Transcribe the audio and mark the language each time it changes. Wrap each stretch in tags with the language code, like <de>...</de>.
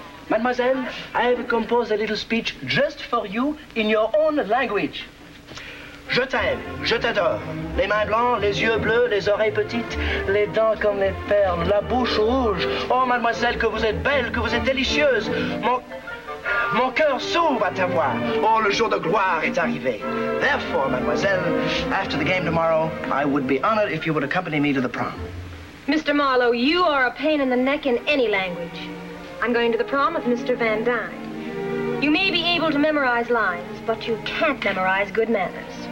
<en>Mademoiselle, I have composed a little speech just for you in your own language.</en> <fr>Je t'aime, je t'adore. Les mains blancs, les yeux bleus, les oreilles petites, les dents comme les perles, la bouche rouge. Oh, mademoiselle, que vous êtes belle, que vous êtes délicieuse. Mon cœur s'ouvre à ta voix. Oh, le jour de gloire est arrivé.</fr> <en>Therefore, mademoiselle, after the game tomorrow, I would be honored if you would accompany me to the prom. Mr. Marlowe, you are a pain in the neck in any language. I'm going to the prom with Mr. Van Dyne. You may be able to memorize lines, but you can't memorize good manners.</en>